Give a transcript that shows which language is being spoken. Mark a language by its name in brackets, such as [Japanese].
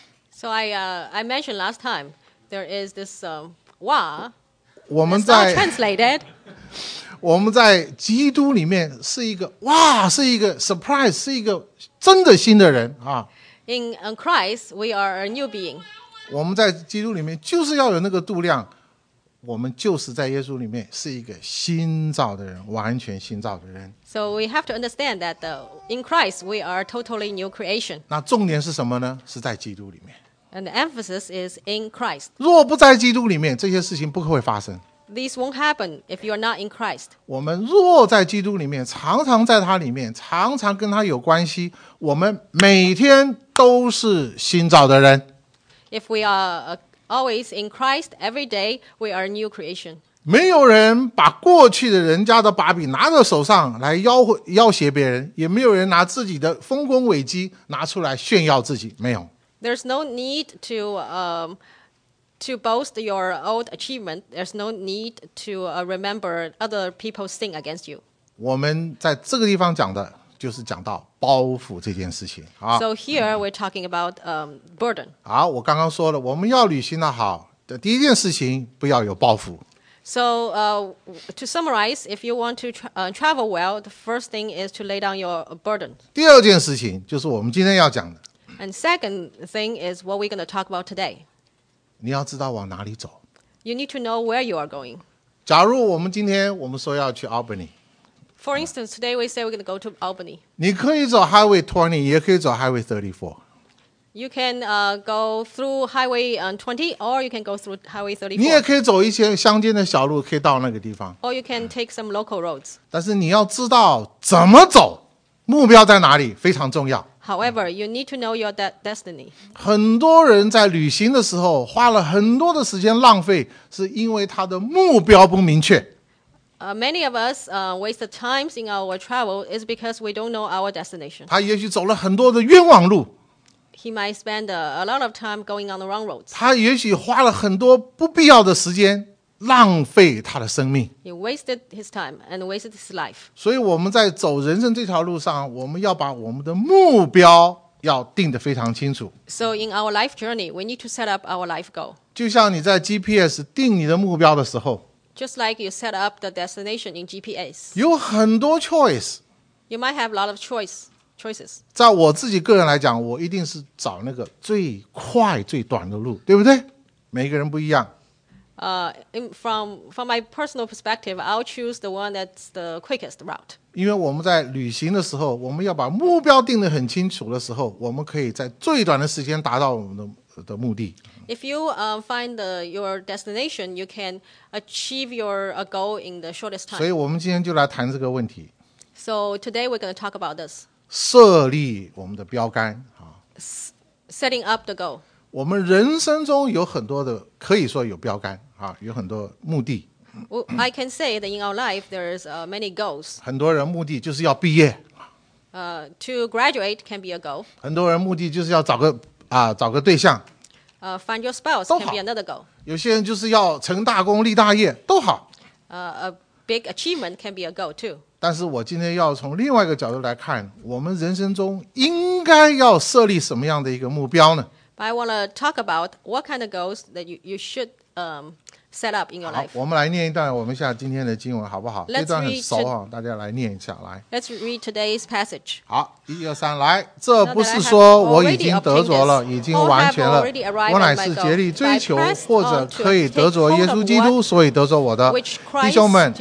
[English] So I mentioned last time there is this哇， [Chinese] 我们在 [English] translated， [Chinese] 我们在基督里面是一个哇，是一个 surprise， 是一个真的新的人啊。 [English] In Christ we are a new being。 [Chinese] 我们在基督里面就是要有那个度量，我们就是在耶稣里面是一个新造的人，完全新造的人。 [English] So we have to understand that in Christ we are totally new creation. [Chinese] 那重点是什么呢？是在基督里面。 [English] And the emphasis is in Christ. [Chinese] 若不在基督里面，这些事情不会发生。 [English] These won't happen if you are not in Christ. [Chinese] 我们若在基督里面，常常在他里面，常常跟他有关系，我们每天都是新造的人。 [English] If we are always in Christ, every day we are a new creation. [Chinese] 没有人把过去的人家的把柄拿在手上来要挟别人，也没有人拿自己的丰功伟绩拿出来炫耀自己，没有。 [English] There's no need to boast your old achievement. There's no need to remember other people's sin against you. [Chinese] 我们在这个地方讲的就是讲到包袱这件事情。 [English] So here we're talking about burden. [Chinese] 好，我刚刚说了我们要旅行的好，第一件事情不要有包袱。 [English] So to summarize, if you want to travel well, the first thing is to lay down your burden. [Chinese] 第二件事情就是我们今天要讲的。 [English] And second thing is what we're going to talk about today. [Chinese] 你要知道往哪里走。 [English] You need to know where you are going. [Chinese] 假如我们今天我们说要去 Albany， [English] For instance, today we say we're going to go to Albany. [Chinese] 你可以走 Highway 20, 也可以走 Highway 34. [English] You can go through Highway 20, or you can go through Highway 34. [Chinese] 你也可以走一些乡间的小路，可以到那个地方。 [English] Or you can take some local roads. [Chinese] 但是你要知道怎么走，目标在哪里，非常重要。 [English] However, you need to know your destiny. [Chinese] 很多人在旅行的时候花了很多的时间浪费，是因为他的目标不明确。 [English] Many of us waste times in our travel is because we don't know our destination. [Chinese] 他也许走了很多的冤枉路。 [English] He might spend a lot of time going on the wrong roads. [Chinese] 他也许花了很多不必要的时间，浪费他的生命。 [English] He wasted his time and wasted his life. [Chinese] 所以我们在走人生这条路上，我们要把我们的目标要定得非常清楚。 [English] So in our life journey, we need to set up our life goal. [Chinese] 就像你在 GPS 定你的目标的时候。 [English] Just like you set up the destination in GPS. [Chinese] 有很多 choice. [English] You might have a lot of choices. [Chinese] 在我自己个人来讲，我一定是找那个最快最短的路，对不对？每个人不一样。 [English] From my personal perspective, I'll choose the one that's the quickest route. [Chinese] 因为我们在旅行的时候，我们要把目标定得很清楚的时候，我们可以在最短的时间达到我们 的目的。 [English] If you find your destination, you can achieve your goal in the shortest time. [Chinese] 所以我们今天就来谈这个问题。 [English] So today we're going to talk about this. [Chinese] 设立我们的标杆。 [English] Setting up the goal. [Chinese] 我们人生中有很多的，可以说有标杆、啊、有很多目的。 [English] Well, I can say that in our life there's many goals. [Chinese] 很多人目的就是要毕业。 [English] To graduate can be a goal. [Chinese] 很多人目的就是要找个找个对象。 [English] Find your spouse can be another goal. [Chinese] 有些人就是要成大功立大业，都好。 [English] A big achievement can be a goal too. [Chinese] 但是我今天要从另外一个角度来看，我们人生中应该要设立什么样的一个目标呢？ [English] But I want to talk about what kind of goals that you should set up in your life. [Chinese] 好，我们来念一段我们下今天的经文，好不好？这段很熟啊，大家来念一下，来。 [English] Let's read today's passage. [Chinese] 好，一二三，来。这不是说我已经得着了，已经完全了。我乃是竭力追求或者可以得着耶稣基督，所以得着我的弟兄们。